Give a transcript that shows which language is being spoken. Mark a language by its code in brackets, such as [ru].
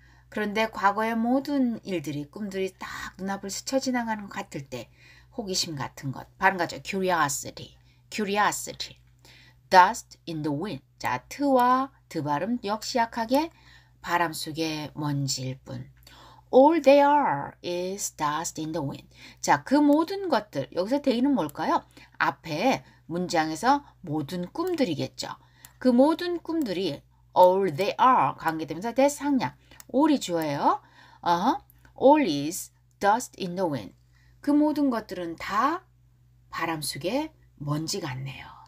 [ko] 그런데 과거의 모든 일들이, 꿈들이 딱 눈앞을 스쳐 지나가는 것 같을 때 호기심 같은 것. 발음 같죠? [en] Curiosity. Curiosity. Dust in the wind. [ko] 자, t와 d 발음 역시 약하게 바람 속에 먼지일 뿐. [en] All they are is dust in the wind. [ko] 자, 그 모든 것들. 여기서 they는 뭘까요? 앞에 문장에서 모든 꿈들이겠죠. 그 모든 꿈들이 [en] all they are [ko] 관계되면서 대상량. [en] all이 주어예요. All is dust in the wind. [ko] 그 모든 것들은 다 바람 속에 먼지 같네요.